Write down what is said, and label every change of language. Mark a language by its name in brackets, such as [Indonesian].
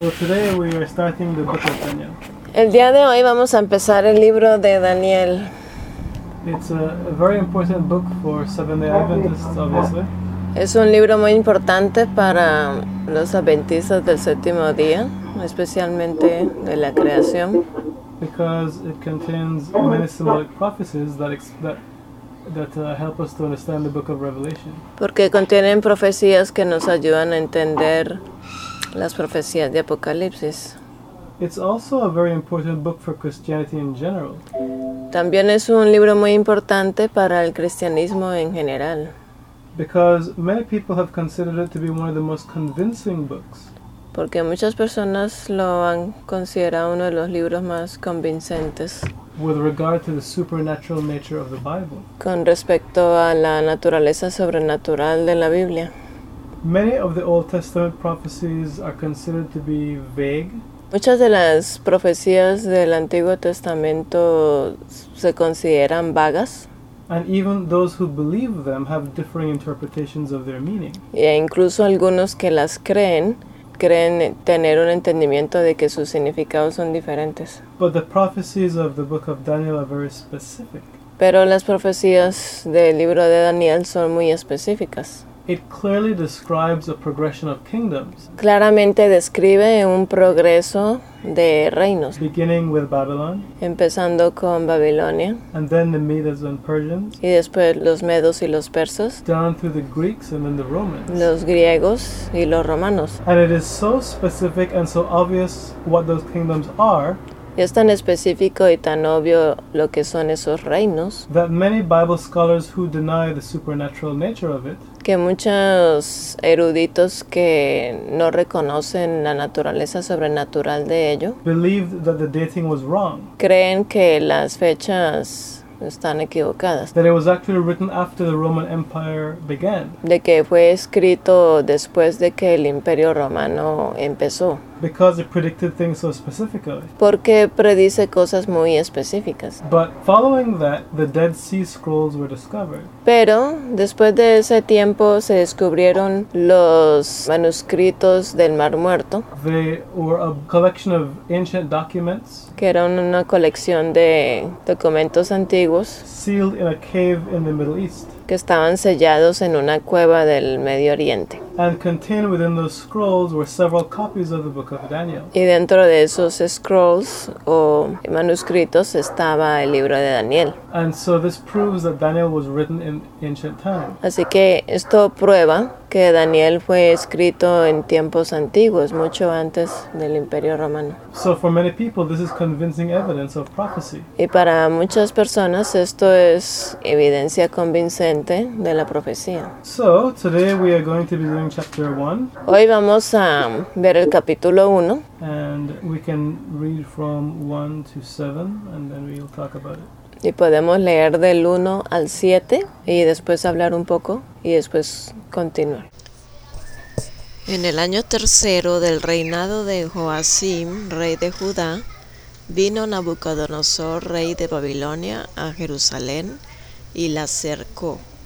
[English] Well, today we are starting the book of Daniel. [Spanish] El día de hoy vamos a empezar el libro de Daniel. [English] It's a very important book for Seventh-day Adventists, obviously. [Spanish] Es un libro muy importante para los adventistas del séptimo día, especialmente de la creación. [English] Because it contains many symbolic prophecies that help us to understand the book of Revelation. [Spanish] Porque contienen profecías que nos ayudan a entender las profecías de Apocalipsis. [English] It's also a very important book for Christianity in general. [Spanish] También es un libro muy importante para el cristianismo en general. [English] Because many people have considered it to be one of the most convincing books. [Spanish] Porque muchas personas lo han considerado uno de los libros más convincentes. [English] With regard to the supernatural nature of the Bible. [Spanish] Con respecto a la naturaleza sobrenatural de la Biblia. [English] Many of the Old Testament prophecies are considered to be vague. [Spanish] Muchas de las profecías del Antiguo Testamento se consideran vagas. [English] And even those who believe them have differing interpretations of their meaning. [Spanish] E incluso algunos que las creen tener un entendimiento de que sus significados son diferentes. [English] But the prophecies of the book of Daniel are very specific. [Spanish] Pero las profecías del libro de Daniel son muy específicas. [English] It clearly describes a progression of kingdoms. [Spanish] Claramente describe un progreso de reinos. [English] Beginning with Babylon. [Spanish] Empezando con Babilonia. [English] And then the Medes and Persians. [Spanish] Y después los Medos y los Persas. [English] Down through the Greeks and then the Romans. [Spanish] Los griegos y los romanos. [English] And it is so specific and so obvious what those kingdoms are. [Spanish] Es tan específico y tan obvio lo que son esos reinos. [English] That many Bible scholars who deny the supernatural nature of it. [Spanish] Que muchos eruditos que no reconocen la naturaleza sobrenatural de ello. [English] Believed that the dating was wrong. [Spanish] Creen que las fechas están equivocadas. [English] That it was actually written after the Roman Empire began. [Spanish] De que fue escrito después de que el Imperio Romano empezó. [English] Because it predicted things so specifically. [Spanish] Porque predice cosas muy específicas. [English] But following that, the Dead Sea Scrolls were discovered. [Spanish] Pero después de ese tiempo se descubrieron los manuscritos del Mar Muerto. [English] They were a collection of ancient documents. [Spanish] Que eran una colección de documentos antiguos. [English] Sealed in a cave in the Middle East. [Spanish] Que estaban sellados en una cueva del Medio Oriente. [English] And contained within those scrolls were several copies of the book of Daniel. [Spanish] Y dentro de esos scrolls o manuscritos estaba el libro de Daniel. [English] And so this proves that Daniel was written in ancient times. [Spanish] Así que esto prueba que Daniel fue escrito en tiempos antiguos, mucho antes del Imperio Romano. [English] So for many people this is convincing evidence of prophecy. [Spanish] Y para muchas personas esto es evidencia convincente de la profecía. [English] So today we are going to be doing chapter 1. [Spanish] Hoy vamos a ver el capítulo 1. [English] And we can read from 1 to 7 and then we'll talk about it. [Spanish] Y podemos leer del 1 al 7 y después hablar un poco y después continuar. En el año tercero del reinado de Joacim, rey de Judá, vino Nabucodonosor, rey de Babilonia, a Jerusalén y la cercó.